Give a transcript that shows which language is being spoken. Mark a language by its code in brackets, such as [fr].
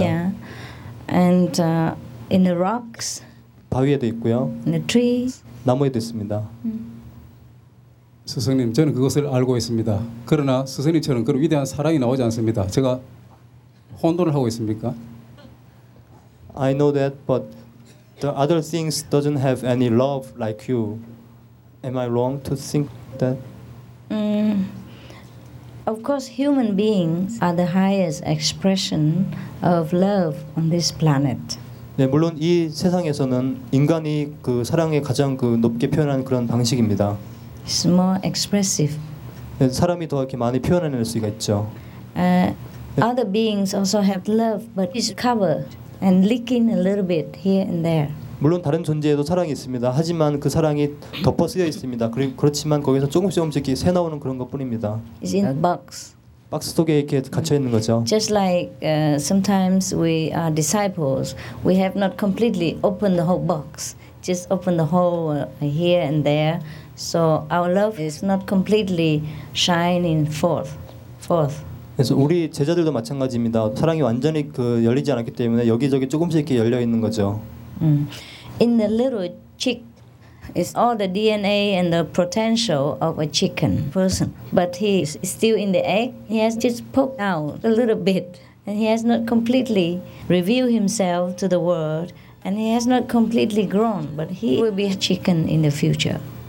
[en] Yeah. And in the rocks. [ko] 바위에도 있고요. [en] In the trees. [ko] 나무에도 있습니다. 스승님, 저는 그것을 알고 있습니다. 그러나 스승님처럼 그런 위대한 사랑이 나오지 않습니다. 제가 혼돈을 하고 있습니까? [en] I know that, but the other things doesn't have any love like you. Am I wrong to think that? Of course, human beings are the highest expression of love on this planet. [ko] 네, 물론 이 세상에서는 인간이 그 사랑에 가장 그 높게 표현한 그런 방식입니다. [en] It's more expressive. [ko] 네, 사람이 더 이렇게 많이 표현해낼 수가 있죠. [en] Other beings also have love, but it's covered and leaking a little bit here and there. [ko] 물론 다른 존재에도 사랑이 있습니다. 하지만 그 사랑이 덮어쓰여 있습니다. 그렇지만 거기서 조금씩 조금씩 새 나오는 그런 것뿐입니다. [en] It's in a box. [ko] 박스 속에 이렇게 갇혀 있는 거죠. [en] Just like sometimes we are disciples, we have not completely opened the whole box. Just open the hole here and there, so our love is not completely shining forth. [ko] 그래서 우리 제자들도 마찬가지입니다. 사랑이 완전히 그 열리지 않았기 때문에 여기저기 조금씩 이렇게 열려 있는 거죠. [en] In the little chick is all the DNA and the potential of a chicken person. But he is still in the egg. He has just poked out a little bit. And he has not completely revealed himself to the world. And he has not completely grown. But he will be a chicken in the future.